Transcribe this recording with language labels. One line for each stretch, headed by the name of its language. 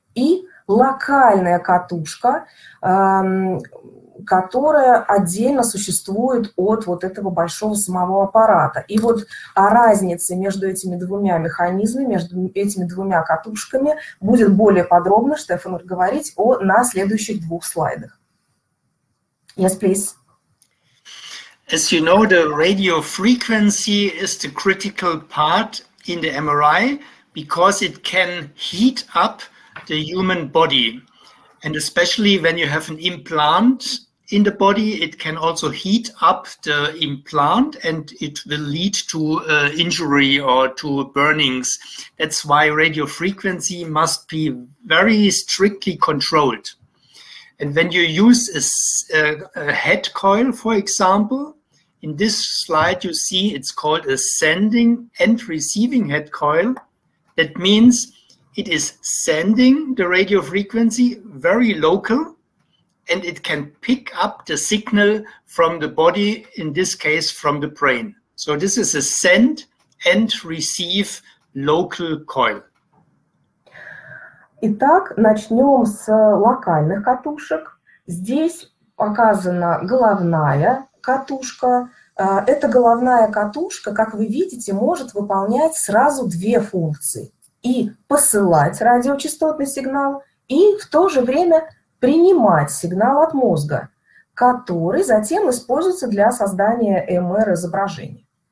Russian: И локальная катушка, которая отдельно существует от вот этого большого самого аппарата. И вот о разнице между этими двумя механизмами, между этими двумя катушками, будет более подробно Штефан говорить о, на следующих двух слайдах.
English: Yes, please. As you know, the radio frequency is the critical part in the MRI, because it can heat up the human body, and especially when you have an implant in the body, it can also heat up the implant and it will lead to injury or to burnings. That's why radio frequency must be very strictly controlled. And when you use a head coil, for example, in this slide you see it's called a sending and receiving head coil. That means It is sending the radio frequency very local, and it can pick up the signal from the body, in this case, from the brain. So this is a send and receive local coil.
Russian: Итак, начнем с локальных катушек. Здесь показана головная катушка. Эта головная катушка, как вы видите, может выполнять сразу две функции. И посылать радиочастотный сигнал, и в то же время принимать сигнал от мозга, который затем используется для создания МР-изображения.